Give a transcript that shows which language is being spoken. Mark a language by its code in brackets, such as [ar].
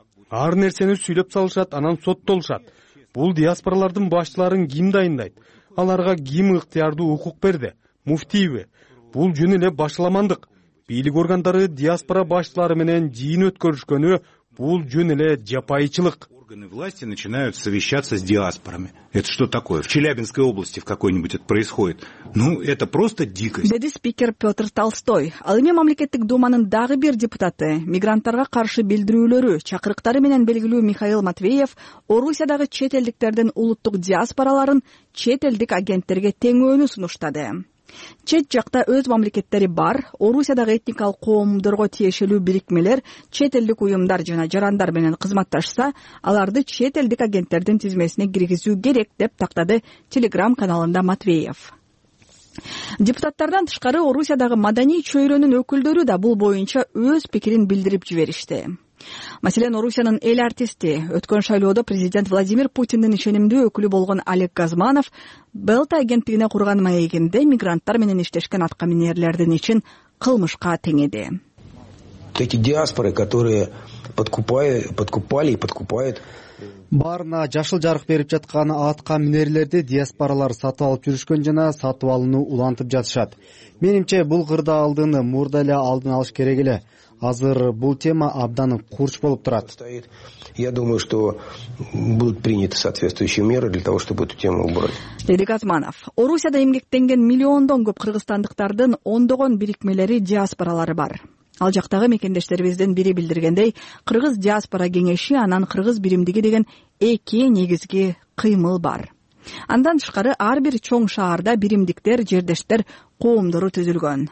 [ky] Ар нерсени сүйлөп салышат, анан соттолушат. Бул диаспоралардын башчыларын ким дайындайт? Аларга ким ыктыярдуу укук берди? Муфтийби? Бул жөн эле башаламандык. Бийлик органдары диаспора башчылары менен жыйын өткөрүшкөнү, бул жөн эле жапайычылык. [ru] Органы власти начинают совещаться с диаспорами. Это что такое? В Челябинской области в какой-нибудь это происходит. Ну, это просто дикость. [ky] Деди спикер Петр Толстой. Ал эми мамлекеттик думанын дагы бир депутаты, мигранттарга каршы билдирүүлөрү, чакырыктары менен белгилүү Михаил Матвеев, Орусиядагы чет элдиктердин улуттук диаспораларын чет элдик агенттерге теңөөнү сунуштады. Чет жакта өз мамлекеттери бар, Орусиядагы этникалык коомдорго тиешелүү бирикмелер чет элдик уюмдар жана жарандар менен кызматташса, аларды чет элдик агенттердин тизмесине киргизүү керек деп тактады Телеграм каналында Матвеев. Депутаттардан тышкары Орусиядагы маданий чөйрөнүн өкүлдөрү да бул боюнча өз пикирин билдирип жиберишти. Маселен, Орусиянын эл артисти, өткөн шайлоодо президент Владимир Путиндин ишенимдүү өкүлү болгон Олег Газманов Белта агенттигине курган маегинде мигранттар менен иштешкен аткаминерлердин ичин кылмышка теңеди. [ru] эти диаспоры, которые подкупали и подкупают. [ky] Барына жашыл жарык берип жаткан атка минерлерди диаспоралар сатып алып жүрүшкөн жана сатып алууну улантып жатышат. Менимче бул кырда алдыны мурда эле алдын алыш керек эле. Азыр бул тема абдан курч болуп турат. [ru] Я думаю, что будут приняты соответствующие меры для того, чтобы эту тему убрать. [ky] Эрик Атманов. Орусияда эмгектенген миллиондон көп кыргызстандыктардын ондогон бирикмелери диаспоралары бар. Ал жактагы мекендештерибиздин бири билдиргендей, кыргыз диаспора кеңеши анан кыргыз биримдиги деген эки негизги кыймыл бар. Андан тышкары ар бир чоң шаарда биримдиктер, жердештер коомдору түзүлгөн.